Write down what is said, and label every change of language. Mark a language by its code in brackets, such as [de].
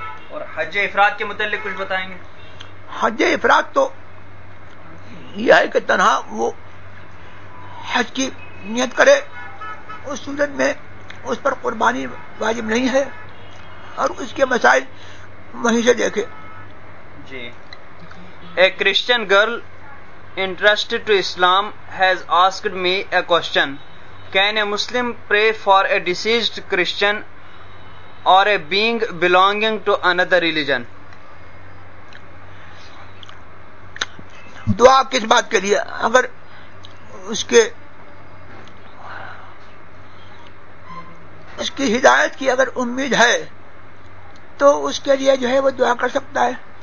[ur] اور حج افراد کے متعلق کچھ بتائیں گے؟ حج افراد تو یہ ہے کہ تنہا وہ حج کی نیت کرے, اس صورت میں اس پر قربانی واجب نہیں ہے, اور اس کے مسائل وہیں سے دیکھے. جی. [en] A Christian girl interested to Islam has asked me a question, can a Muslim pray for a deceased Christian or a being belonging to another religion? [ur] دعا کس بات کے لیے؟ اگر اس کی ہدایت کی اگر امید ہے تو اس کے لیے جو ہے وہ دعا کر سکتا ہے.